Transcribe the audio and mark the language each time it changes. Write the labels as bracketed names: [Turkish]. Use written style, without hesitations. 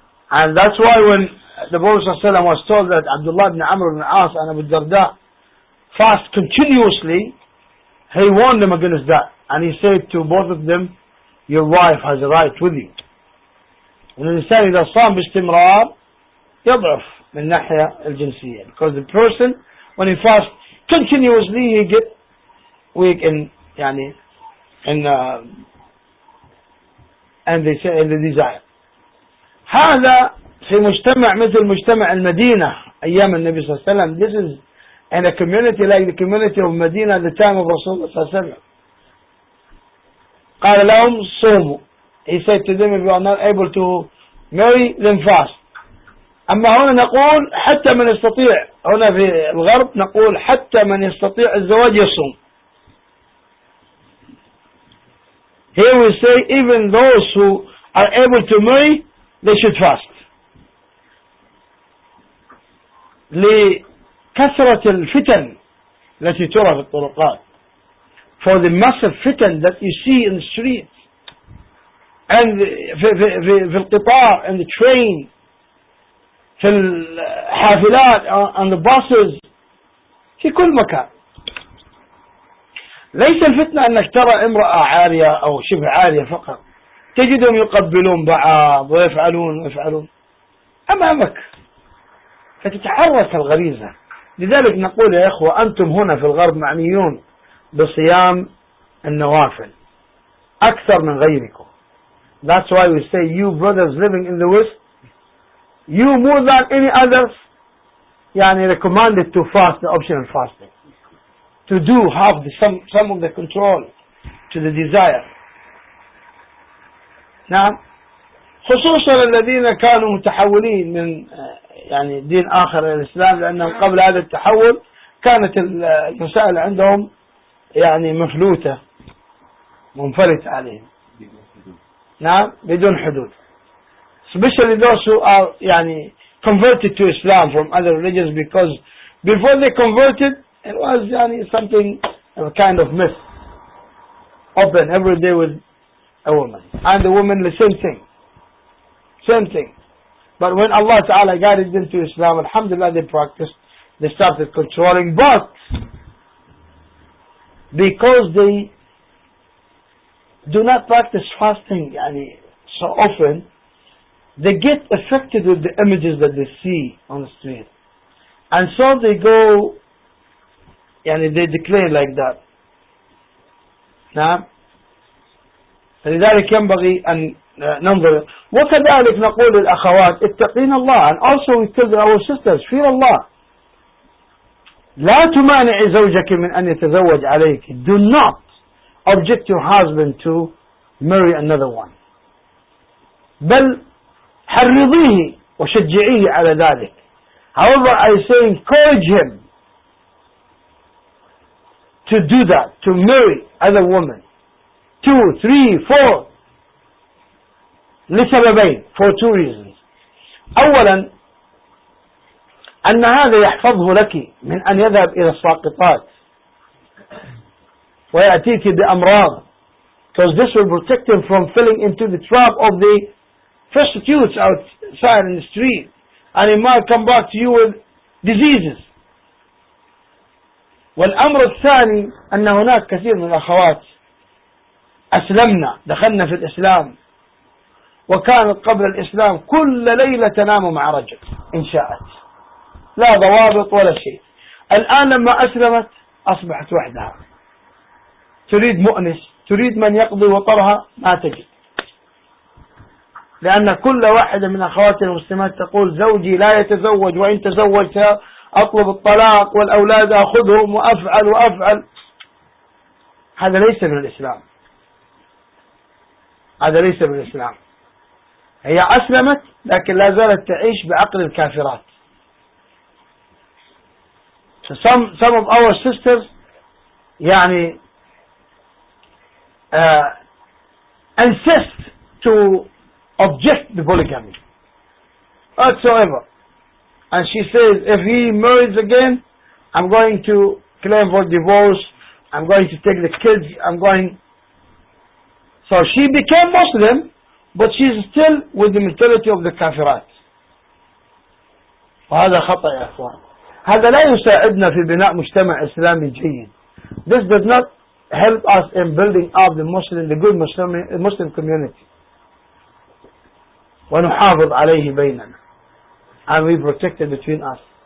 [English] And that's why when the Prophet [Arabic] صلى الله عليه وسلم [English] was told that Abdullah ibn Amr ibn As and Abu Darda fast continuously, he warned them against that. And he said to both of them, your wife has a right with you. And the insan [Arabic] إذا صام باستمرار يضعف من ناحية الجنسية. [English] Because the person, when he fasts continuously, he get weak in, يعني, and they say in the desire. [Arabic] هذا في مجتمع مثل مجتمع المدينة أيام النبي صلى الله عليه وسلم. [English] This is in a community like the community of Medina at the time of Rasul [Arabic] صلى الله عليه وسلم. قال لهم صوموا. [English] He said to them, if you are not able to marry, then fast. [Arabic] أما هنا نقول حتى من يستطيع, هنا في الغرب نقول حتى من يستطيع الزواج يصوم. [English] Here we say even those who are able to marry, they should fast. [Arabic] لكثرة الفتن التي ترى في الطرقات. [English] For the massive fitan that you see in the streets and [Arabic] في القطار [English] and the train [Arabic] في الحافلات [English] and the buses [Arabic] في كل مكان. ليس الفتنة أنك ترى امرأة عارية أو شبه عارية فقط, تجدهم يقبلون بعض ويفعلون أمامك فتتعرف الغريزة. لذلك نقول يا إخوة أنتم هنا في الغرب معنيون بصيام النوافل أكثر من غيركم. [English] That's why we say you brothers living in the West, you more than any others يعني recommended to fast the optional fasting. To do have the, some of the control to the desire. [Arabic] نعم خصوصا الذين كانوا متحولين من يعني دين آخر الإسلام, لأنهم قبل هذا التحول كانت المسائل عندهم يعني مفلوتة منفلت عليهم نعم بدون حدود. [English] Especially those who are يعني converted to Islam from other religions, because before they converted it was يعني something of a kind of myth open every day with a woman and the woman the same thing. But when Allah Ta'ala guided them to Islam, alhamdulillah, they practiced, they started controlling. But because they do not practice fasting يعني, so often, they get affected with the images that they see on the street. And so they go, يعني, they declare like that. [Arabic] نعم فلذلك ينبغي أن ننظر. وكذلك نقول للأخوات اتقين الله. [English] And also we tell our sisters, fear Allah. [Arabic] لا تمانع زوجك من أن يتزوج عليك. [English] Do not object your husband to marry another one. [Arabic] بل حرضيه وشجعيه على ذلك. [English] However, I say encourage him to do that, to marry other women. 2, 3, 4 [Arabic] لسببين, [English] for 2 reasons. [Arabic] أولا أن هذا يحفظه لك من أن يذهب إلى الساقطات ويأتيك بأمراض, [English] because this will protect him from falling into the trap of the prostitutes outside in the street, and he might come back to you with diseases. [Arabic] والأمر الثاني أن هناك كثير من الأخوات أسلمنا دخلنا في الإسلام وكانت قبل الإسلام كل ليلة تنام مع رجل إن شاءت لا ضوابط ولا شيء. الآن لما أسلمت أصبحت وحدها, تريد مؤنس, تريد من يقضي وطرها, ما تجد, لأن كل واحدة من أخواتي المسلمات تقول زوجي لا يتزوج وإن تزوجت أطلب الطلاق والأولاد أخذهم وأفعل وأفعل. هذا ليس من الإسلام, هذا ليس من الإسلام. هي أسلمت لكن لا زالت تعيش بعقل الكافرات. [English] So some of our sisters يعني insist to object the polygamy whatsoever. And she says, if he marries again, I'm going to claim for divorce, I'm going to take the kids, I'm going... So she became Muslim, but she's still with the mentality of the kafirat. [Arabic] وهذا خطأ يا أخوان. هذا لا يساعدنا في بناء مجتمع إسلامي جيد. [English] This does not help us in building up the Muslim, the good Muslim community. [Arabic] ونحافظ عليه بيننا. [English] And we protect it between us.